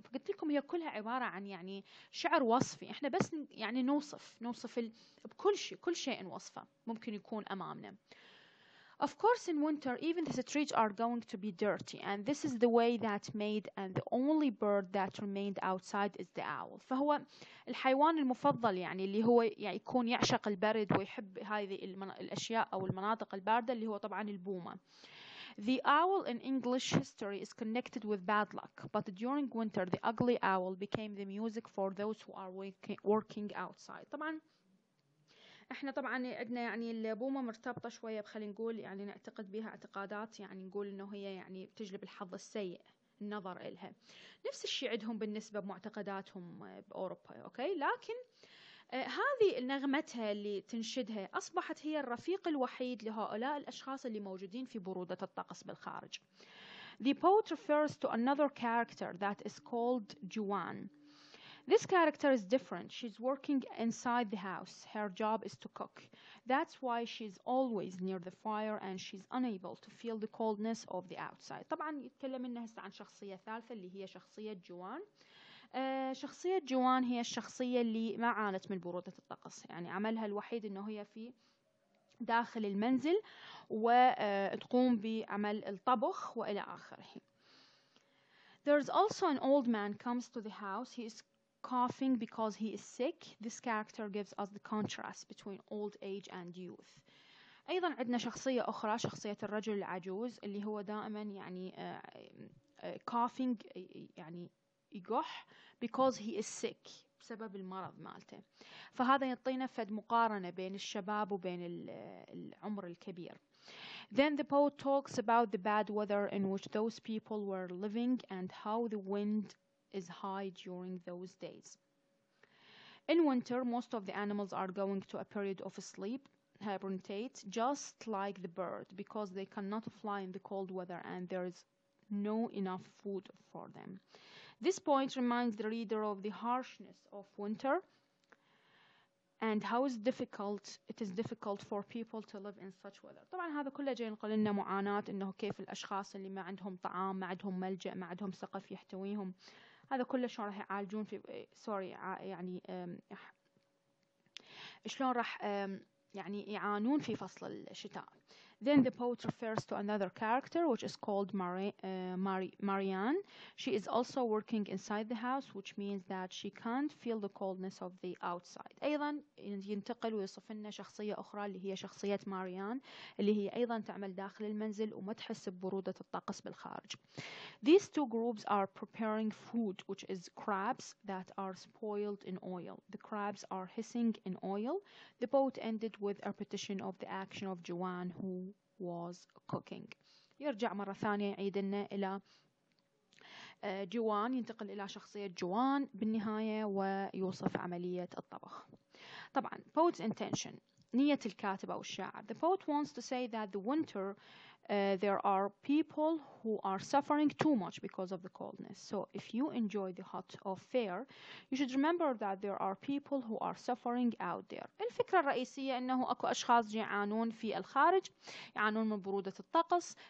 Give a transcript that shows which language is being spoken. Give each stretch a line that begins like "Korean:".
Arabic: فقلت لكم هي كلها عبارة عن يعني شعر وصفي، إحنا بس يعني نوصف بكل شيء، كل شيء وصفه ممكن يكون أمامنا.
English: Of course in winter even the streets are going to be dirty and this is the way that made and the only bird that remained outside is the owl.
Arabic: فهو الحيوان المفضل يعني اللي هو يعني يكون يعشق البرد ويحب هذه الأشياء أو المناطق الباردة اللي هو طبعا البومة.
English: The owl in English history is connected with bad luck but during winter the ugly owl became the music for those who are working outside.
Arabic: طبعا احنا طبعا عندنا يعني البومه مرتبطه شويه بخلينا نقول يعني نعتقد بها اعتقادات يعني نقول انه هي يعني بتجلب الحظ السيء النظر إلها. نفس الشيء عندهم بالنسبه بمعتقداتهم باوروبا، اوكي؟ لكن هذه نغمتها اللي تنشدها اصبحت هي الرفيق الوحيد لهؤلاء الاشخاص اللي موجودين في بروده الطقس بالخارج.
English: The poet refers to another character that is called Joanne. This character is different. She's working inside the house. Her job is to cook. That's why she's always near the fire and she's unable to feel the coldness of the outside.
Arabic: طبعا يتكلم لنا هسه عن شخصية ثالثة اللي هي شخصية جوان. شخصية جوان هي الشخصية اللي ما عانت من برودة الطقس، يعني عملها الوحيد انه هي في داخل المنزل وتقوم بعمل الطبخ والى اخره.
English: There's also an old man comes to the house. He is coughing because he is sick. This character gives us the contrast between old age and youth.
Arabic: أيضا عندنا شخصية أخرى، شخصية الرجل العجوز اللي هو دائما يعني
English: coughing
Arabic: يعني يقح
English: because he is sick
Arabic: بسبب المرض مالته. فهذا يعطينا فد مقارنة بين الشباب وبين العمر الكبير.
English: Then the poet talks about the bad weather in which those people were living and how the wind is high during those days. In winter, most of the animals are going to a period of sleep, hibernate, just like the bird, because they cannot fly in the cold weather and there is no enough food for them. This point reminds the reader of the harshness of winter and how is difficult it is difficult for people to live in such weather.
Arabic: طبعا هذا كله جاي نقول لنا معاناة انه كيف الاشخاص اللي ما عندهم طعام ما عندهم ملجأ ما عندهم سقف يحتويهم هذا كله شلون راح يعالجون في سوري يعني شلون راح يعني يعانون في فصل الشتاء.
English: Then the poet refers to another character which is called Marianne. She is also working inside the house which means that she can't feel the coldness of the outside.
Arabic: أيضا ينتقل ويصف لنا شخصية أخرى اللي هي شخصية ماريان اللي هي أيضا تعمل داخل المنزل وما تحس ببرودة الطقس بالخارج. These two groups are preparing food which is crabs that are spoiled in oil. The crabs are hissing in oil. The poet ended with a repetition of the action of Joanne who was cooking. يرجع مرة ثانية يعيد لنا إلى جوان ينتقل إلى شخصية جوان بالنهاية ويوصف عملية الطبخ. طبعا poet's intention نية الكاتب أو الشاعر.
English: The poet wants to say that the winter there are people who are suffering too much because of the coldness. So if you enjoy the hot of fair, you should remember that there are people who are suffering out there.
Arabic: الفكرة الرئيسية أنه أكو أشخاص يعانون في الخارج يعانون من برودة الطقس.